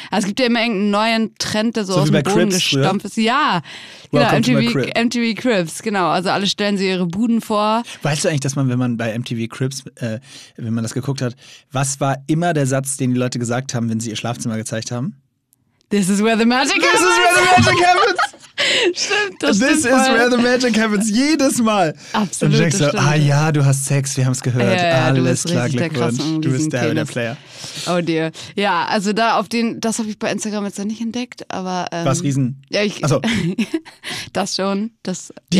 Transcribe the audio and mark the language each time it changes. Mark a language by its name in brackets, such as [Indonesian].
[German] Also es gibt ja immer irgendeinen neuen Trend, der so, so aus dem Boden gestampft ist. Ja, genau, MTV Cribs, genau. Also alle stellen sie ihre Buden vor. Weißt du eigentlich, dass man, wenn man bei MTV Cribs, wenn man das geguckt hat, was war immer der Satz, den die Leute gesagt haben, wenn sie ihr Schlafzimmer gezeigt haben? [English] This is where the magic happens! This is where the magic happens! [German] Stimmt, das [English] This [German] stimmt voll. [English] Where the magic happens, [German] jedes Mal. Absolut. Und du denkst so, ah ja, du hast Sex, wir haben es gehört. Ja, ja, alles klar, Glückwunsch. Du bist der Player. [English] Oh dear. [German] Ja, also da auf den, das habe ich bei Instagram jetzt noch nicht entdeckt, aber. Was Riesen? Ja, ich. Achso. Das schon. Das, die